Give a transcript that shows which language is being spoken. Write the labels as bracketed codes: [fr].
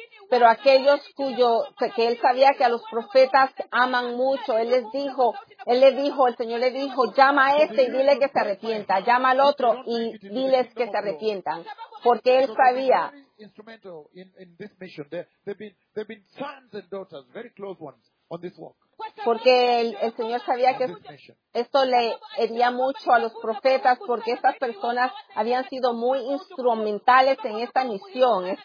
[es] Pero aquellos que él sabía que a los profetas aman mucho, el Señor le dijo, llama a este y dile que se arrepienta, llama al otro y diles que se arrepientan, porque él sabía. [en] Instrumental in this mission. There have been sons and daughters, very close ones, on this walk. [es] porque el Señor sabía que esto le hería mucho a los profetas, porque estas personas habían sido muy instrumentales en esta misión.